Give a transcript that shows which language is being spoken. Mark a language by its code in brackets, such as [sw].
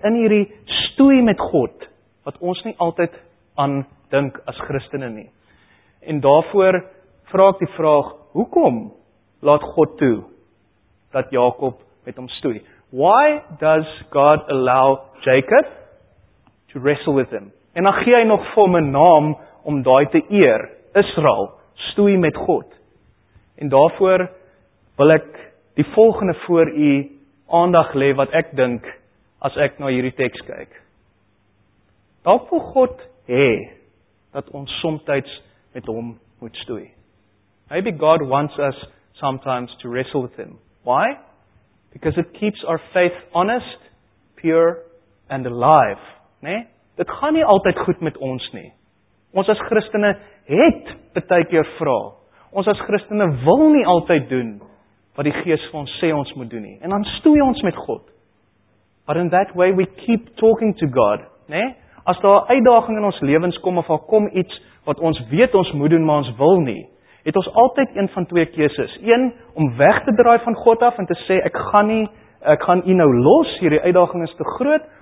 [af] In hierdie stoei met God, wat ons nie altyd aan dink as Christene nie. En daarvoor vra ek die vraag, hoekom laat God toe dat Jakob met hom stoei? [en] Why does God allow Jacob to wrestle with him? [af] En dan gee hy nog vir hom 'n naam om daai te eer. Israel, stoei met God. En daarvoor wil ek die volgende voor u aandag lê wat ek dink as ek na hierdie teks kyk. Dalk wil God hê dat ons soms met hom moet stoei. [en] Maybe God wants us sometimes to wrestle with him. Why? Because it keeps our faith honest, pure and alive. Né? [af] Dit gaan nie altyd goed met ons nie. Ons as Christene het baie keer vra. Ons as Christene wil nie altyd doen wat die Gees vir ons sê ons moet doen nie. En dan stoei ons met God. [en] But in that way we keep talking to God. [af] Né? As daar 'n uitdaging in ons lewens kom of daar kom iets wat ons weet ons moet doen maar ons wil nie, het ons altyd een van twee keuses. Een, om weg te draai van God af en te sê, ek gaan u nou los, hierdie uitdaging is te groot.